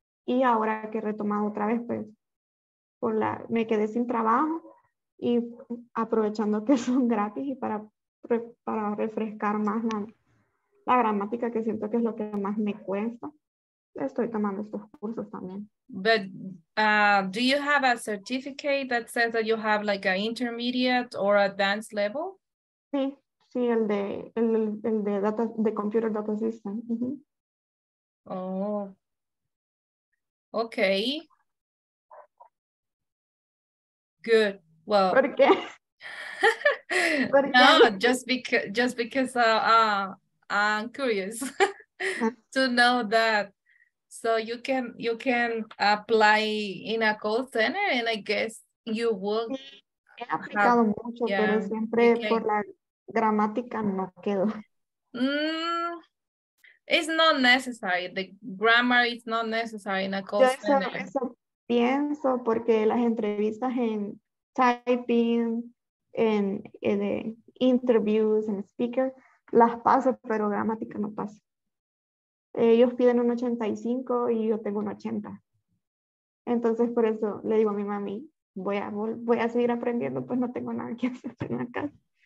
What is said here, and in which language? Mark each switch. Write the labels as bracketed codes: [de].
[es] Y ahora que he retomado otra vez, pues me quedé sin trabajo y aprovechando que son gratis y para refrescar más la gramática, que siento que es lo que más me cuesta, estoy tomando estos cursos también. [en] But do you have a certificate that says that you have like an intermediate or advanced level? [es] Sí, sí, el de data, [en] the computer data system. Mm-hmm. Oh, okay. Good. Well, [es] ¿por qué? [en] No, just because I'm curious to know that. So you can apply in a call center, and I guess you will. [es] He aplicado mucho, yeah, pero siempre okay. Por la gramática no quedo. [en] It's not necessary. The grammar is not necessary in a call center. [es] Eso pienso porque las entrevistas en typing, en interviews, en speaker, las paso, pero gramática no paso. Ellos piden un 85 y yo tengo un 80. Entonces, por eso le digo a mi mami, voy a seguir aprendiendo, pues no tengo nada que hacer en la casa.